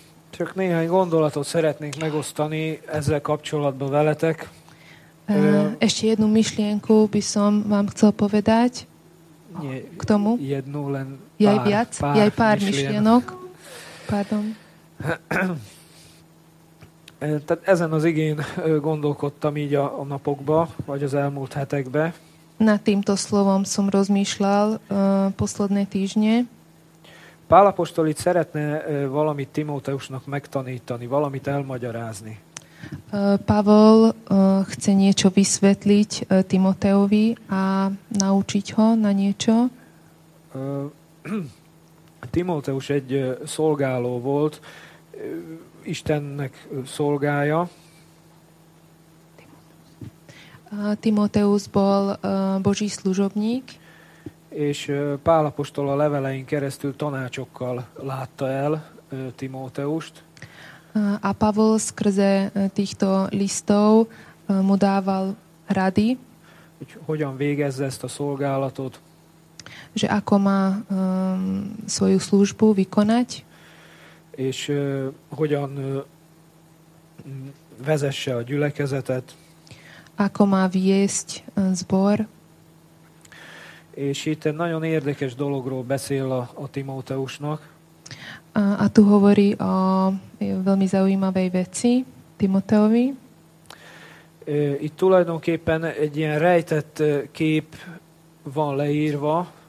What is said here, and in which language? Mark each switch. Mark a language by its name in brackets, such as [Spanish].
[Hungarian] Čak néhány gondolatot szeretnék megosztani ezzel kapcsolatban veletek. [Slovak] Ešte jednu myšlienku by som vám chcel povedať. Nie, k tomu. Jednu len pár. Jaj viac? Jaj pár myšlienok. Pardon. [Hungarian] Tehát ezen az igén gondolkodtam így a napokba, vagy az elmúlt hetekbe. [Slovak] Nad týmto slovom som rozmýšľal posledné týždne. [Hungarian] Pál apostol itt szeretne valamit Timóteusnak megtanítani, valamit elmagyarázni. [Slovak] Pavol chce niečo vysvetliť Timoteovi a naučiť ho na niečo. [Hungarian] Timóteus egy szolgáló volt, Istennek szolgája. [Slovak] Timóteus bol Boží služobník. [Hungarian] És Pál apostol a levelein keresztül tanácsokkal látta el Timóteust. [Slovak] A Pavol skrze týchto listov mu dával rady. [Hungarian] Hogy hogyan végezze ezt a szolgálatot. [Slovak] Že ako má svoju službu vykonať. [Hungarian] És hogyan vezesse a gyülekezetet. [Slovak] Ako má viesť zbor. [Hungarian] És itt egy nagyon érdekes dologról beszél a Timóteusnak. [Slovak] A tu hovorí o veľmi zaujímavej veci Timoteovi. [Hungarian] Itt tulajdonképpen egy ilyen rejtett kép van leírva.